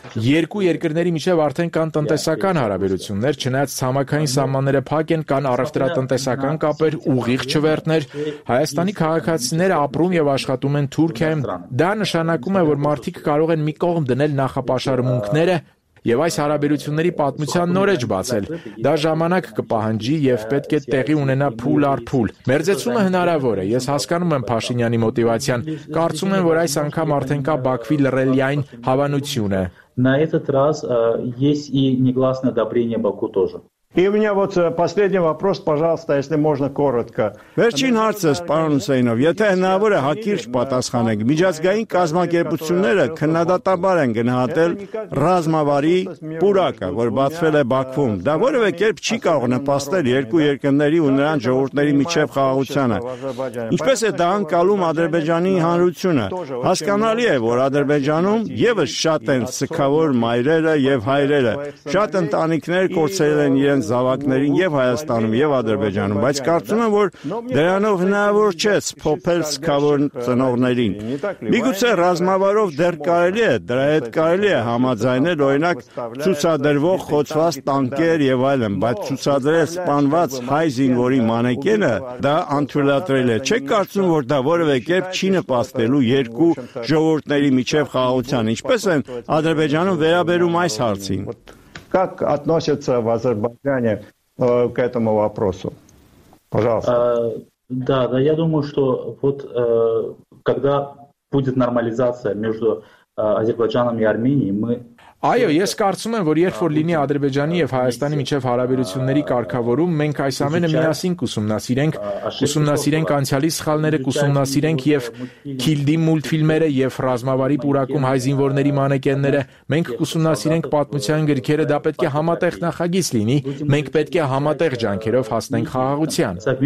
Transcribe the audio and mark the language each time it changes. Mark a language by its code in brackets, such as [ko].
[hy] երկու երկրների միջև արդեն կան տնտեսական հարաբերություններ, չնայած ցամաքային սահմանները փակ են, կան առևտրատնտեսական կապեր, ուղիղ չվերթներ, հայաստանի քաղաքացիները ապրում եւ աշխատում են Թուրքիայում, դա նշանակում է, որ մարդիկ կարող են մի կողմ դնել նախապաշարմունքները Եվ այս հարաբերությունների պատմության նոր էջ բացել։ Դա ժամանակ կպահանջի եւ պետք է տեղի ունենա փուլ առ փուլ։ Մերձեցումը հնարավոր է։ Ես հասկանում եմ Փաշինյանի մոտիվացիան։ Կարծում եմ, որ այս անգամ արդեն կա Բաքվի լռելիային հավանությունը։ [ru] На этот раз есть и негласное одобрение Баку тоже. И у меня вот последний вопрос, пожалуйста, если можно коротко. [hy] Верчин Харцес, պարոն Սեյնով, եթե հնարավոր է հակիրճ պատասխանեք, միջազգային կազմակերպությունները քննադատաբար են գնահատել ռազմավարի պուրակը, որ բացվել է Բաքվում, դա որևէ կերպ չի կարող նպաստել երկու երկրների ու նրանց ժողովրդների միջև խաղաղությանը։ Ինչպես է դա անցնում Ադրբեջանի հանրությունը։ Հասկանալի է, որ Ադրբեջանում եւս շատ են սկավոր մայրերը եւ հայրերը, շատ ընտանիքներ կորցրել են են զավակներին եւ Հայաստանում եւ Ադրբեջանում, բայց կարծում եմ, որ դրանով հնարավոր չէ փոփել սկավոր ծնողներին։ Միգուցե ռազմավարով դեռ կարելի է, դրա հետ կարելի է համաձայնել, օրինակ, ցուցադրվող խոցված տանկեր եւ այլն, բայց ցուցադրել սպանված հայ զինվորի մանեկենը, դա անթույլատրել է։ Չեք կարծում, որ դա որևէ կերպ չի նպաստելու երկու ժողովրդների միջև խաղաղության, ինչպես են Ադրբեջանում վերաբերում այս հարցին։ [ru] Как относятся в Азербайджане к этому вопросу? Пожалуйста. Да, я думаю, что вот когда будет нормализация между Азербайджаном и Арменией, мы... [hy] Այո, ես կարծում եմ, որ երբ որ լինի Ադրբեջանի եւ Հայաստանի միջև հարաբերությունների կարգավորում, մենք այս ամենը միասին կուսումնասիրենք, կուսումնասիրենք անցյալի սխալները, կուսումնասիրենք եւ քիլդի մուլտֆիլմերը եւ ռազմավարի պուրակում հայ զինվորների մանեկենները, մենք կուսումնասիրենք պատմության գրքերը, դա պետք է համատեղ նախագիծ լինի, մենք պետք է համատեղ ջանքերով հասնենք խաղաղության։